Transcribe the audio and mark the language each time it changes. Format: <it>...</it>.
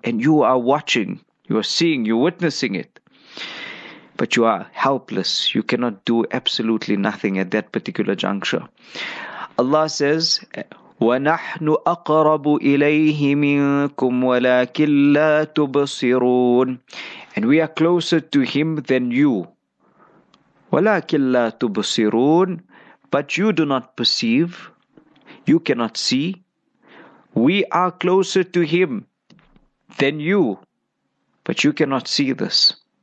<en>And you are watching, you are seeing, you are witnessing it. But you are helpless. You cannot do absolutely nothing at that particular juncture. Allah says,</en> <ar>وَنَحْنُ أَقْرَبُ إِلَيْهِ مِنْكُمْ وَلَكِنْ لَا تُبَصِرُونَ.</ar> <en>And we are closer to Him than you.</en> <ar>وَلَكِنْ لَا تُبَصِرُونَ.</ar> <en>But you do not perceive, you cannot see. We are closer to Him than you, but you cannot see this.</en>